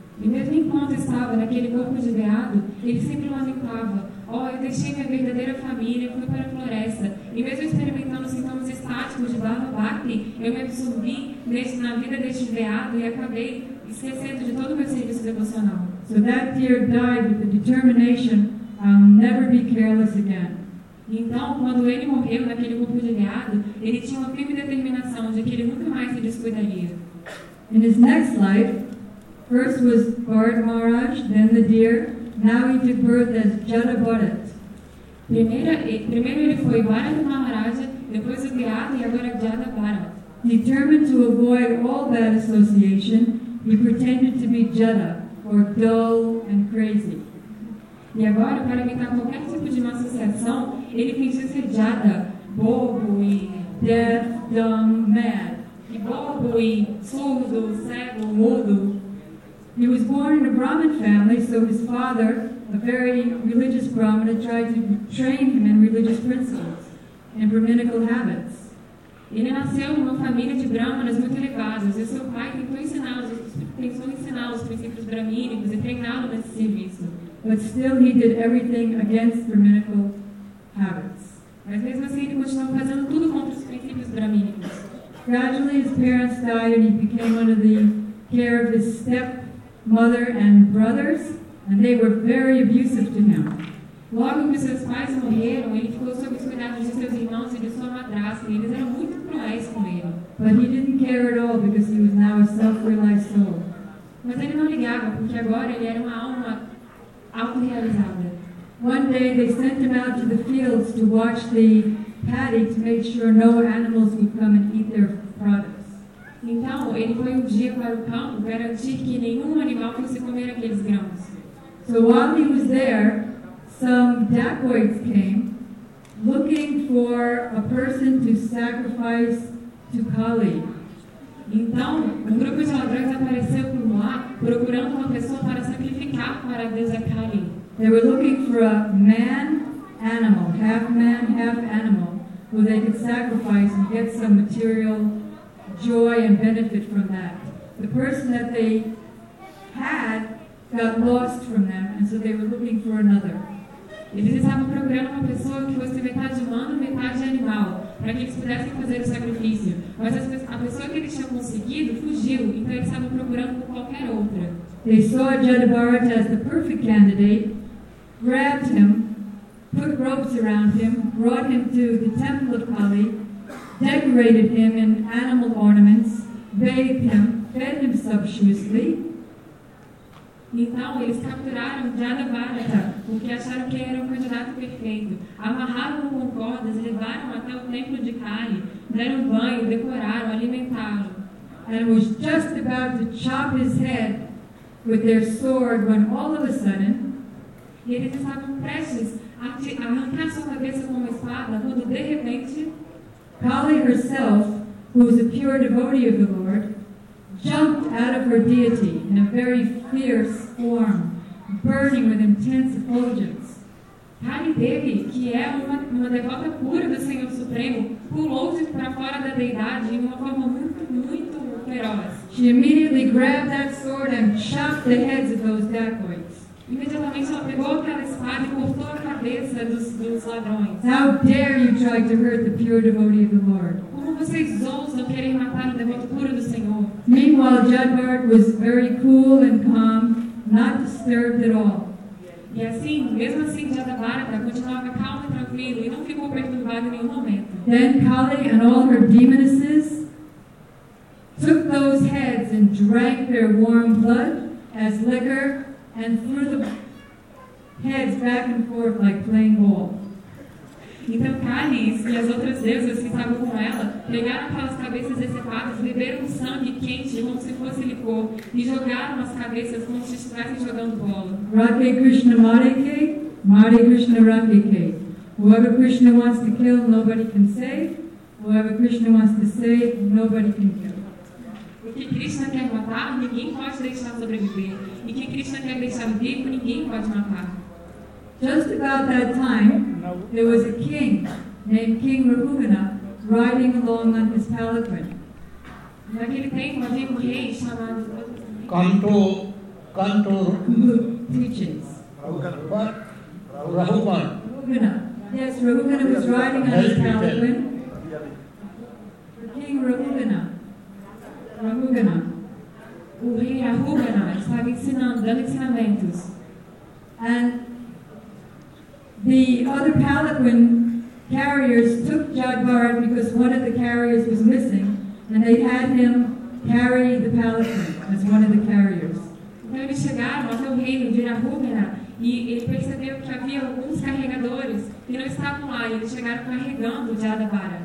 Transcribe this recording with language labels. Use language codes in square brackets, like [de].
[pt] E mesmo enquanto estava naquele corpo de veado, ele sempre lamentava. Oh, eu deixei minha verdadeira família, fui para a floresta. E mesmo experimentando sintomas estáticos de Baba Bhakti, eu me absorvi na vida deste veado e acabei esquecendo de todo o meu serviço devocional. [en] So that deer died with the determination, I'll never be careless again. [pt] Então, quando ele morreu naquele corpo de veado, ele tinha uma firme determinação de que ele nunca mais se descuidaria. [en] In his next life, first was Bharat Maharaj, then the deer. Now he took birth as Jada Bharat. [pt] Primeiro ele foi Bharat Maharaj, depois o veado e agora Jada Bharat. [en] Determined to avoid all bad association, he pretended to be Jada, or dull and crazy. [pt] E agora, para evitar qualquer tipo de má associação, ele fingiu ser Jada, bobo e [en] deaf, dumb, mad. [pt] E bobo e surdo, cego, mudo. [en] He was born in a Brahmin family, so his father, a very religious Brahmin, tried to train him in religious principles and Brahminical habits. [pt] Ele nasceu numa família de Brahmanas muito elevadas, e seu pai tentou ensiná-lo os princípios brahmínicos e treiná-lo nesse serviço. [en] But still he did everything against Brahminical habits. [pt] Mas mesmo assim ele continuou fazendo tudo contra os princípios brahmínicos. [en] Gradually his parents died and he became under the care of his stepmother and brothers, and they were very abusive to him. [pt] Logo que seus pais morreram, ele ficou sob os cuidados de seus irmãos e de sua madrasta, e eles eram muito cruéis com ele. [en] But he didn't care at all because he was now a self-realized soul. [pt] Mas ele não ligava, porque agora ele era uma alma autorrealizada. [en] One day they sent him out to the fields to watch the paddy to make sure no animals would come and eat their products. [pt] Então, ele foi um dia para o campo garantir que nenhum animal fosse comer aqueles grãos. [en] So while he was there, some dacoits came looking for a person to sacrifice to Kali. [pt] Então, um grupo de ladrões apareceu por lá procurando uma pessoa para sacrificar para a deusa Kali. [en] They were looking for a man, half animal, who they could sacrifice and get some material joy and benefit from that. The person that they had got lost from them, and so they were looking for another. [pt] Eles estavam procurando uma pessoa que fosse metade humano, metade animal, para que eles pudessem fazer o sacrifício. Mas a pessoa que eles tinham conseguido fugiu, então eles estavam procurando por qualquer outra. [en] They saw Jada Bharat as the perfect candidate, grabbed him, put ropes around him, brought him to the temple of Kali, decorated him in animal ornaments, bathed him, fed him sumptuously. [pt] Então eles capturaram Jada Bharata, porque acharam que era o candidato perfeito. Amarraram-no com cordas, levaram até o templo de Kali, deram banho, decoraram, alimentaram. [en] And was just about to chop his head with their sword when all of a sudden, [pt] eles estavam prestes a arrancar sua cabeça com uma espada, quando de repente, [en] Kali herself, who was a pure devotee of the Lord, jumped out of her deity in a very fierce form, burning with intense effulgence. [pt] Kali Devi, que é uma devota pura do Senhor Supremo, pulou-se para fora da deidade em uma forma muito, muito feroz. [en] She immediately grabbed that sword and chopped the heads of those dacoits. [pt] Imediatamente ela pegou aquela espada e cortou a cabeça dos ladrões. [en] How dare you try to hurt the pure devotee of the Lord? [pt] Como vocês ousam querer matar o devoto puro do Senhor? [en] Meanwhile, Jada Bharat was very cool and calm, not disturbed at all. [pt] E assim, mesmo assim, Jada Bharata continuava calma e tranquila e não ficou perturbada em nenhum momento. [en] Then Kali and all her demonesses took those heads and drank their warm blood as liquor, and threw the heads back and forth like playing ball. [pt] Então Kali e as outras deusas que estavam com ela pegaram aquelas cabeças decepadas, beberam sangue quente como se fosse licor e jogaram as cabeças como se estivessem jogando bola. Radhe Krishna Marike, Mari Krishna Radhe. [en] Whoever Krishna wants to kill, nobody can save. Whoever Krishna wants to save, nobody can kill. [pt] O que Krishna quer matar, ninguém pode deixar sobreviver. E o que Krishna quer deixar vivo, ninguém pode matar. [en] Just about that time, there was a king named King Rahugana riding along on his palanquin. Kanto teaches. Rahugana. Yes, Rahugana was riding on his palanquin. King Rahugana. Rahugana. [pt] O rei Rahugana estava ensinando, dando ensinamentos. [en] And the other palanquin carriers took Jagbhart because one of the carriers was missing. And they had him carry the palanquin as one of the carriers. [pt] Então eles chegaram até o reino de Rahugana e ele percebeu que havia alguns carregadores que não estavam lá e eles chegaram carregando Jadavara.